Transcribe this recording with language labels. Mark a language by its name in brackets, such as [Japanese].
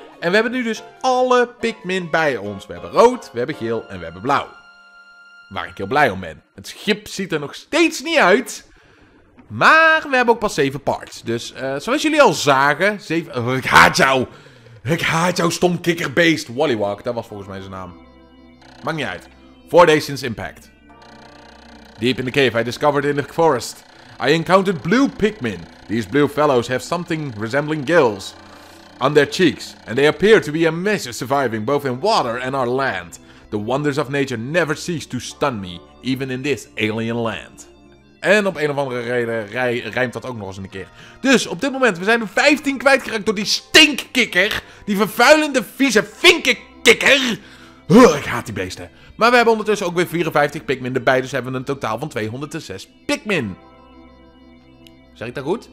[Dutch] En we hebben nu dus alle Pikmin bij ons. We hebben rood, we hebben geel en we hebben blauw. Waar ik heel blij om ben. Het schip ziet er nog steeds niet uit. Maar we hebben ook pas 7 parts. Dus zoals jullie al zagen... 7... Oh, ik haat jou. Ik haat jou, stom kikkerbeest. Wallywalk, dat was volgens mij zijn naam. Maakt niet uit. [English] 4 days since impact. Deep in the cave, I discovered in the forest. I encountered blue Pikmin. These blue fellows have something resembling gills on their cheeks. And they appear to be a mess of surviving both in water and our land. The wonders of nature never cease to stun me, even in this alien land. [Dutch] En op een of andere reden rijmt dat ook nog eens een keer. Dus op dit moment, we zijn 15 kwijtgeraakt door die stinkkikker. Die vervuilende vieze vinkenkikker. Oh, ik haat die beesten. Maar we hebben ondertussen ook weer 54 Pikmin erbij. Dus hebben we een totaal van 206 Pikmin. Zeg ik dat goed?